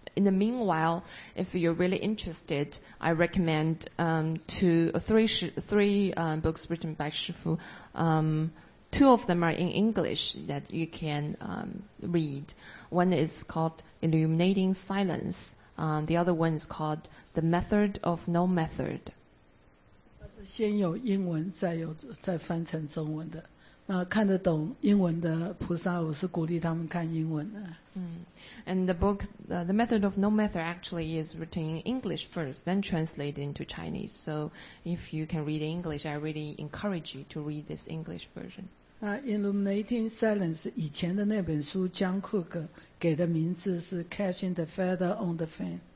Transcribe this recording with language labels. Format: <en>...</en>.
<en>In the meanwhile, if you're really interested, I recommend three books written by Shifu. Two of them are in English that you can read. One is called Illuminating Silence. The other one is called The Method of No Method.</en> <zh>它是先有英文，再翻成中文的。看得懂英文的菩萨，我是鼓励他们看英文的。</zh> <en>And the book, The Method of No Method, actually is written in English first, then translated into Chinese. So if you can read English, I really encourage you to read this English version.</en> <zh>Illuminating Silence, 以前的那本书 John Cook 给的名字是 Catching the Feather on the Fan.</zh>